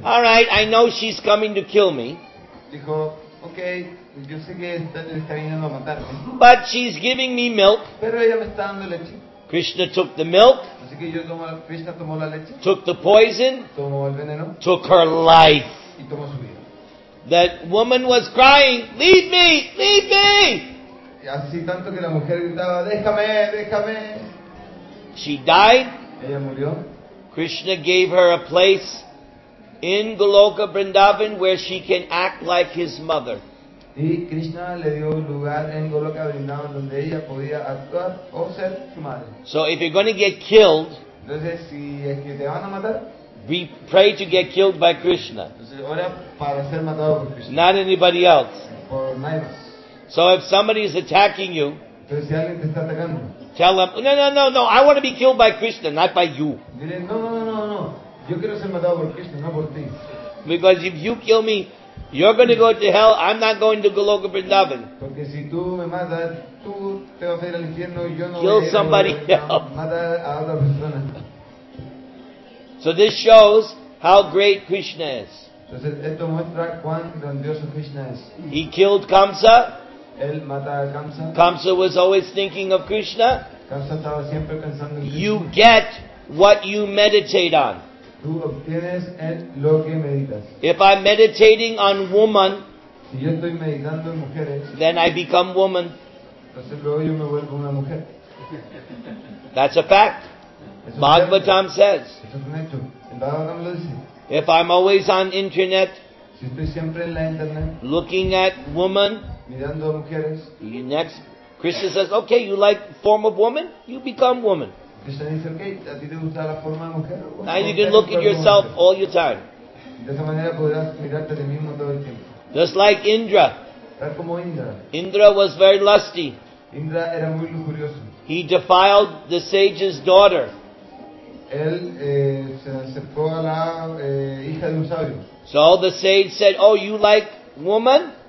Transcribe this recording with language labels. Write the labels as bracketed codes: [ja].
[en] All right, I know she's coming to kill me. [es] Dijo, okay, yo sé que está viniendo a matarme. [en] But she's giving me milk. [es] Pero ella me está dando leche. [en] Krishna took the milk. [es] Así que Krishna tomó la leche. [en] Took the poison. [es] Tomó el veneno. [en] Took her life. [es] Y tomó su vida. [en] That woman was crying, leave me, leave me. [es] Y así tanto que la mujer gritaba, déjame, déjame. [en] She died. [es] Ella murió. [en] Krishna gave her a place in Goloka Vrindavan where she can act like his mother. [es] Y Krishna le dio un lugar en Goloka Vrindavan donde ella podía actuar o ser su madre. [en] So if you're going to get killed, [es] entonces si es que te van a matar, [en] we pray to get killed by Krishna. [es] Entonces ora para ser matado por Krishna. [en] Not anybody else. [es] Por nadie más. [en] So if somebody is attacking you, [es] entonces si alguien te está atacando, [en] tell them, no, I want to be killed by Krishna, not by you. [es] No, Yo quiero ser matado por Krishna, no por ti. [en] Because if you kill me, you're going to go to hell. I'm not going to Goloka Vrindavan. [es] Porque si tú me matas, tú te vas a ir al infierno y yo no. [en] Kill somebody else. [es] Mata a otra persona. [en] So this shows how great Krishna is. [es] Entonces esto muestra cuán grandioso Krishna es. [en] He killed Kamsa. [es] Él mata a Kamsa. [en] Kamsa was always thinking of Krishna. [es] Kamsa estaba siempre pensando en Krishna. [en] You get what you meditate on. [es] Tú obtienes lo que meditas. [en] If I'm meditating on woman, [es] si yo estoy meditando en mujeres, [en] then I become woman. [es] Entonces luego yo me vuelvo una mujer. [en] That's a fact. [es] Eso [en] Bhagavatam says. [es] Eso es un hecho. El Bhagavatam lo dice. [en] If I'm always on internet, [es] si estoy siempre en la internet [en] looking at woman, [es] mirando a mujeres, [en] you next, Krishna says, okay, you like form of woman, you become woman. [es] Krishna dice, okay, a ti te gusta la forma de mujer. [en] Now you can look at yourself mujer. All your time. [es] De esa manera podrás mirarte de mismo todo el tiempo. [en] Just like Indra. [es] Era como Indra. [en] Indra was very lusty. [es] Indra era muy lujurioso. [en] He defiled the sage's daughter. [es] Él se acercó a la hija de un sabio. [en] So the sage said, oh, you like woman?